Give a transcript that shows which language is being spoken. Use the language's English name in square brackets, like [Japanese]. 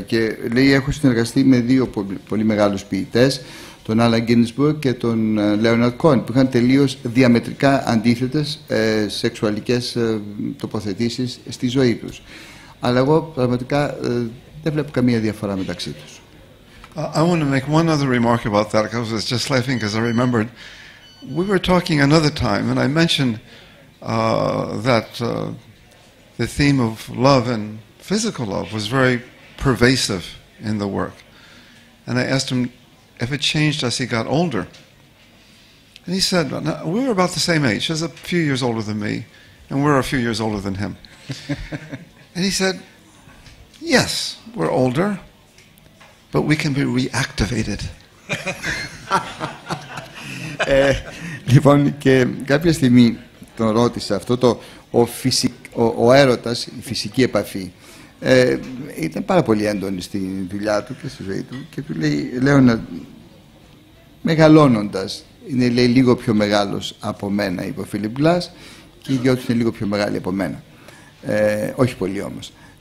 [Greek] Και λέει, έχω συνεργαστεί με δύο πολύ μεγάλους ποιητές, τον Allen Ginsberg και τον Leonard Cohen, που είχαν τελείως διαμετρικά αντίθετες σεξουαλικές τοποθετήσεις στη ζωή τους. Αλλά εγώ πραγματικά δεν βλέπω καμία διαφορά μεταξύ τους. [English] I want to make one other remark about that, because I was just laughing because I remembered. We were talking another time, and I mentioned the theme of love and physical love was very pervasive in the work. And I asked him if it changed as he got older. And he said, we were about the same age. He was a few years older than me, and we're a few years older than him. And he said, yes, we're older. But we can be reactivated. [Greek] Λοιπόν, και κάποια στιγμή τον ρώτησα αυτό το ο έρωτας, η φυσική επαφή. Ήταν πάρα πολύ έντονη στη δουλειά του και στη ζωή του και του λέει, Λέωνα, μεγαλώνοντας, είναι λέει, λίγο πιο μεγάλος από μένα, είπε ο Φίλιπ Γκλας, και οι δυο τους είναι λίγο πιο μεγάλοι από μένα. Όχι πολύ όμως.